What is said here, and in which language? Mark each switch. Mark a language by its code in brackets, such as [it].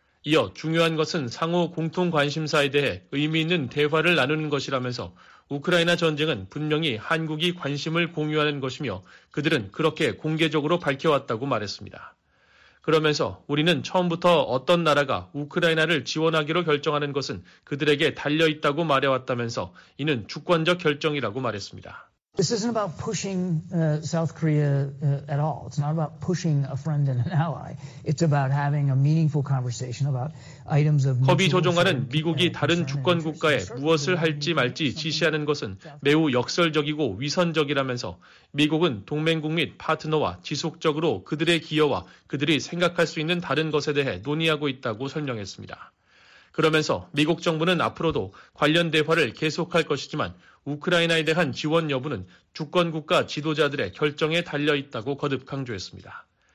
[ko] 이어 중요한 것은 상호 공통 관심사에 대해 의미 있는 대화를 나누는 것이라면서 우크라이나 전쟁은 분명히 한국이 관심을 공유하는 것이며 그들은 그렇게 공개적으로 밝혀왔다고 말했습니다. 그러면서 우리는 처음부터 어떤 나라가 우크라이나를 지원하기로 결정하는 것은 그들에게 달려있다고 말해왔다면서 이는 주권적 결정이라고 말했습니다. [en] This isn't about pushing South Korea at all. It's not about pushing a friend and an ally. It's about having a meaningful conversation about items of. [ko] 커비 조정관은 미국이 다른 주권 국가에 무엇을 할지 말지 지시하는 것은 매우 역설적이고 위선적이라면서 미국은 동맹국 및 파트너와 지속적으로 그들의 기여와 그들이 생각할 수 있는 다른 것에 대해 논의하고 있다고 설명했습니다. 그러면서 미국 정부는 앞으로도 관련 대화를 계속할 것이지만 우크라이나에 대한 지원 여부는 주권 국가 지도자들의 결정에 달려있다고 거듭 강조했습니다.